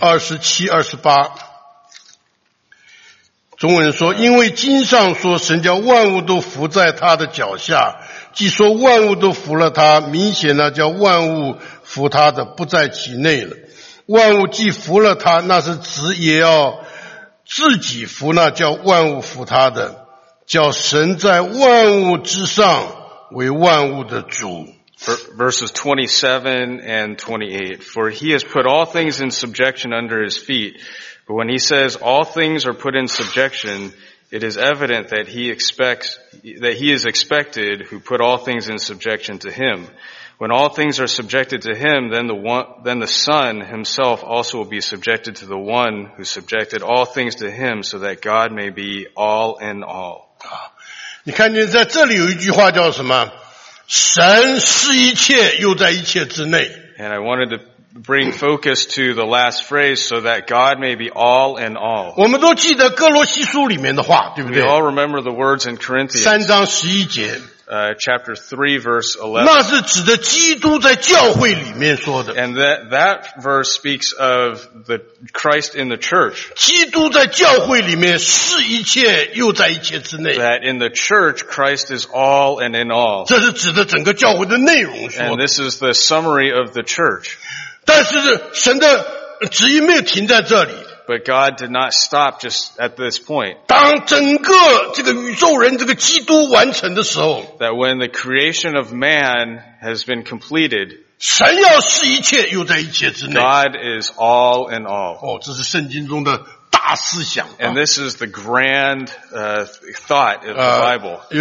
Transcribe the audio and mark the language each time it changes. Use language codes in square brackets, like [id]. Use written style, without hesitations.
[zh] 27、28 中文说 因为经上说 神叫万物都伏在他的脚下 既说万物都伏了他 明显那叫万物伏他的 不在其内了 万物既伏了他 那是指也要 自己服那叫万物服他的，叫神在万物之上为万物的主。 [en] Verses 27 and 28. For he has put all things in subjection under his feet. But when he says all things are put in subjection, it is evident that he is expected who put all things in subjection to him. When all things are subjected to him, then the Son himself also will be subjected to the one who subjected all things to him so that God may be all in all. [zh] 你看见在这里有一句话叫什么?神是一切又在一切之内。 [en] And I wanted to bring focus to the last phrase so that God may be all in all. [zh] 我们都记得哥罗西书里面的话, [en] we all remember the words in Corinthians. [zh] 3章11节。 [en] Chapter 3, verse 11. [zh] 那是指的基督在教会里面说的。 [en] And that verse speaks of the Christ in the church. [zh] 基督在教会里面是一切又在一切之内。 [en] That in the church, Christ is all and in all. [zh] 这是指的整个教会的内容说。 [en] And this is the summary of the church. [zh] 但是神的旨意没有停在这里。 [en] But God did not stop just at this point. [zh] 当整个这个宇宙人这个基督完成的时候, [en] that when the creation of man has been completed, [zh] 神要是一切又在一切之内, [en] God is all in all. [zh] 哦, 这是圣经中的大思想, [en] and this is the grand thought of the Bible.